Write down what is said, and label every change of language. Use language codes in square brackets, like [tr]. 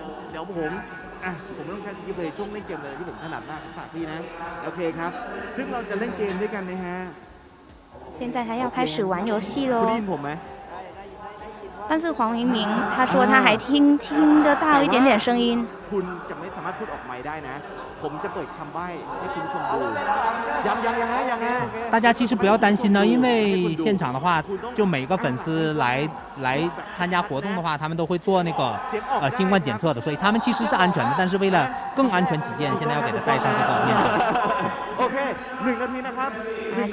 [th] เดี๋ยวผมต้องใช้สกิปเลยช่วงเล่นเกมเลยที่ผมถนัดมากฝากพี่นะ。โอเคครับ。 ซึ่งเราจะเล่นเกมด้วยกันนะฮะ。 [zh] 现在他要开始玩游戏咯。听我没？但是黄明明他说他还听得到一点点声音。 [th] คุณจะไม่สามารถพูดออกไมค์ได้นะ。ผมจะเปิดคำใบ้ให้คุณชมดูยังฮะ [zh] 大家其实不要担心呢，因为现场的话，就每个粉丝来参加活动的话，他们都会做那个新冠检测的，所以他们其实是安全的，但是为了更安全起见，现在要给他戴上这个面罩。 OK， 1分钟呢？